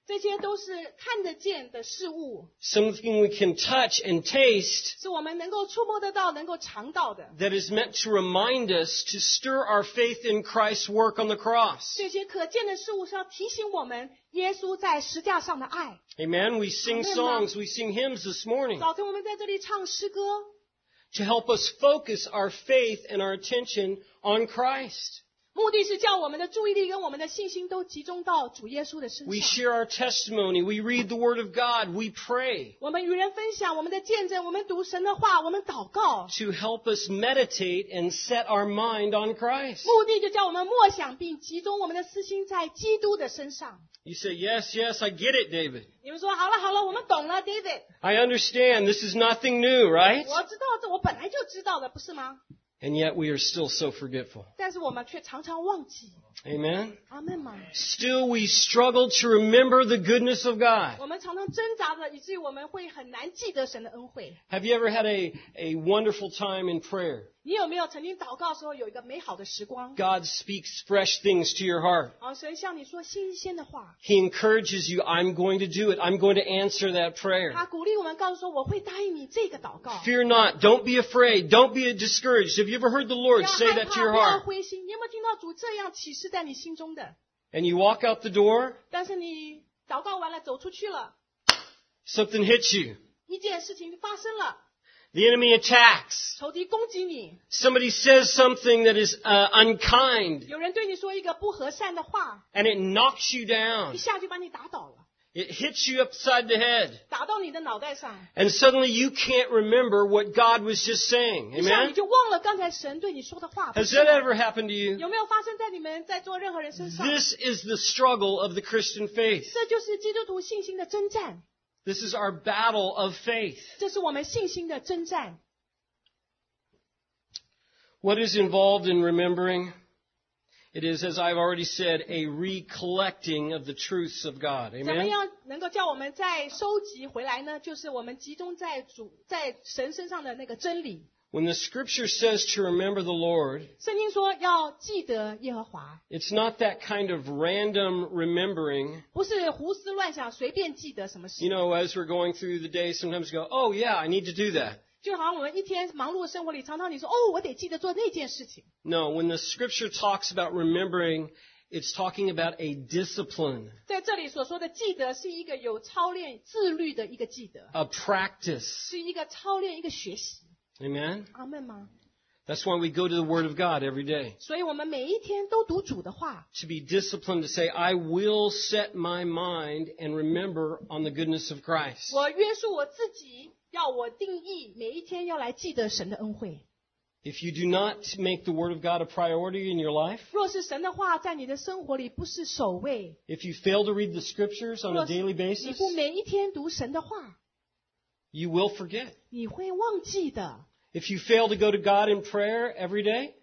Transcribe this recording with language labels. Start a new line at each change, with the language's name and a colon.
English: Something we can touch and taste that is meant to remind us to stir our faith in Christ's work on the cross. Amen. We sing songs, we sing hymns this morning to help us focus our faith and our attention on Christ.
Chinese: 目的是叫我们的注意力跟我们的信心都集中到主耶稣的身上。
English: We share our testimony, we read the word of God, we pray.
Chinese: 我们与人分享我们的见证，我们读神的话，我们祷告。
English: To help us meditate and set our mind on Christ.
Chinese: 目的就叫我们默想并集中我们的思心在基督的身上。
English: You say, yes, yes, I get it, David.
Chinese: 你们说好了好了，我们懂了 ，David.
English: I understand. This is nothing new, right?
Chinese: 我知道，我本来就知道的，不是吗？
English: And yet we are still so forgetful.
Chinese: 但是我们却常常忘记。
English: Amen. Amen. Still we struggle to remember the goodness of God.
Chinese: 我们常常挣扎着，以至于我们会很难记得神的恩惠。
English: Have you ever had a wonderful time in prayer?
Chinese: 你有没有曾经祷告的时候有一个美好的时光？
English: God speaks fresh things to your heart.
Chinese: 神向你说新鲜的话。
English: He encourages you, I'm going to do it. I'm going to answer that prayer.
Chinese: 他鼓励我们，告诉说我会答应你这个祷告。
English: Fear not. Don't be afraid. Don't be discouraged. Have you ever heard the Lord say that to your heart?
Chinese: 不要灰心。你有没有听到主这样启示？是在你心中的。
English: And you walk out the door.
Chinese: 但是你祷告完了，走出去了。
English: Something hits you.
Chinese: 一件事情发生了。
English: The enemy attacks.
Chinese: 仇敌攻击你。
English: Somebody says something that is unkind.
Chinese: 有人对你说一个不和善的话。
English: And it knocks you down.
Chinese: 一下就把你打倒了。
English: It hits you upside the head.
Chinese: 打到你的脑袋上。
English: And suddenly you can't remember what God was just saying. Amen?
Chinese: 你就忘了刚才神对你说的话。
English: Has that ever happened to you?
Chinese: 有没有发生在你们在做任何人身上？
English: This is the struggle of the Christian faith.
Chinese: 这就是基督徒信心的征战。
English: This is our battle of faith.
Chinese: 这是我们信心的征战。
English: What is involved in remembering? It is, as I've already said, a recollecting of the truths of God. Amen.
Chinese: 怎么样能够叫我们再收集回来呢？就是我们集中在主在神身上的那个真理。
English: When the Scripture says to remember the Lord,
Chinese: 圣经说要记得耶和华。
English: It's not that kind of random remembering.
Chinese: 不是胡思乱想，随便记得什么事。
English: You know, as we're going through the day, sometimes go, oh yeah, I need to do that.
Chinese: 就好像我们一天忙碌的生活里，常常你说，哦，我得记得做那件事情。
English: No, when the scripture talks about remembering, it's talking about a discipline.
Chinese: 在这里所说的记得是一个有操练自律的一个记得。
English: A practice.
Chinese: 是一个操练一个学习。
English: Amen?
Chinese: Amen 吗？
English: That's why we go to the word of God every day.
Chinese: 所以我们每一天都读主的话。
English: To be disciplined to say, I will set my mind and remember on the goodness of Christ.
Chinese: 我约束我自己。要我定义每一天要来记得神的恩惠。
English: If you do not make the word of God a priority in your life,
Chinese: 若是神的话在你的生活里不是首位。
English: If you fail to read the scriptures on a daily basis,
Chinese: 你不每一天读神的话。
English: You will forget.
Chinese: 你会忘记的。
English: If you fail to go to God in prayer every day,